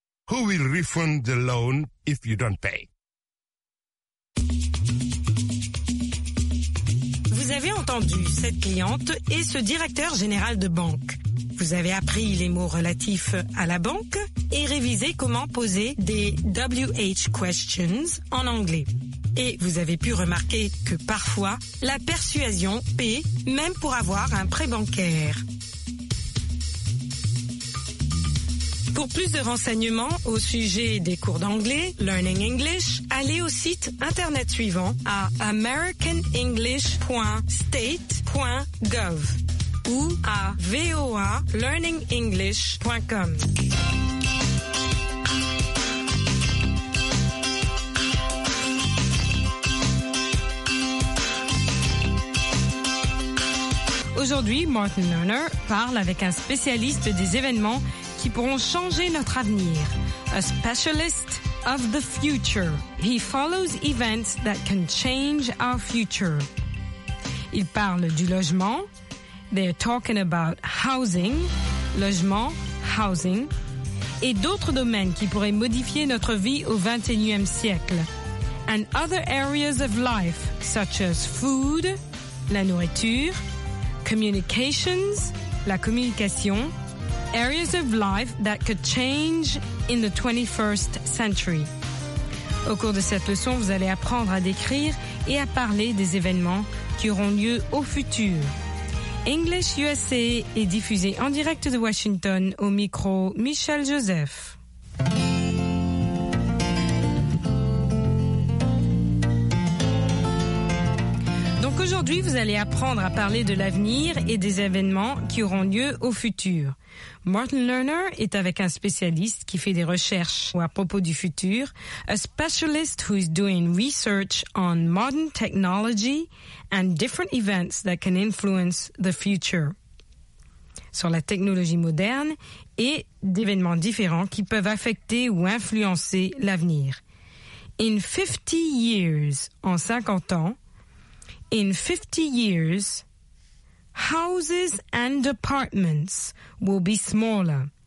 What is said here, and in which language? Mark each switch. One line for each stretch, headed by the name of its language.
English: Who will refund the loan if you don't pay?
French: Vous avez entendu cette cliente et ce directeur général de banque. Vous avez appris les mots relatifs à la banque et révisé comment poser des WH questions en anglais. Et vous avez pu remarquer que parfois, la persuasion paie même pour avoir un prêt bancaire. Pour plus de renseignements au sujet des cours d'anglais, Learning English, allez au site internet suivant à americanenglish.state.gov ou à voalearningenglish.com. Aujourd'hui, Martin Lerner parle avec un spécialiste des événements qui pourront changer notre avenir.
English: A specialist of the future. He follows events that can change our future.
French: Il parle du logement.
English: They're talking about housing.
French: Logement, housing. Et d'autres domaines qui pourraient modifier notre vie au 21e siècle.
English: And other areas of life, such as food, la nourriture, communications, la communication, areas of life that could change in the 21st century.
French: Au cours de cette leçon, vous allez apprendre à décrire et à parler des événements qui auront lieu au futur. English USA est diffusé en direct de Washington au micro Michel Joseph. Donc aujourd'hui, vous allez apprendre à parler de l'avenir et des événements qui auront lieu au futur. Martin Lerner est avec un spécialiste qui fait des recherches à propos du futur.
English: A specialist who is doing research on modern technology and different events that can influence the future.
French: Sur la technologie moderne et d'événements différents qui peuvent affecter ou influencer l'avenir.
English: In 50 years,
French: en 50 ans,
English: in 50 years, houses and apartments will be smaller.